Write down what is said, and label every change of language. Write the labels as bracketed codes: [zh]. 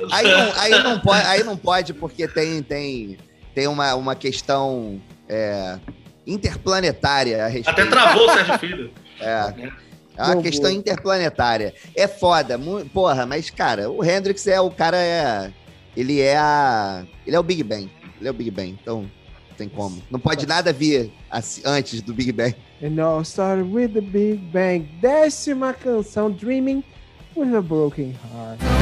[pt] Aí não pode porque tem uma questão interplanetária a respeito. Até travou o Sérgio Filho. É uma questão interplanetária. É foda, porra, mas, cara, o Hendrix é o cara. Ele é o Big Bang. Ele é o Big Bang. Então, tem como. Não pode nada vir assim, antes do Big Bang. [en] And all started with the Big Bang. [pt] Décima canção, Dreaming with a Broken Heart.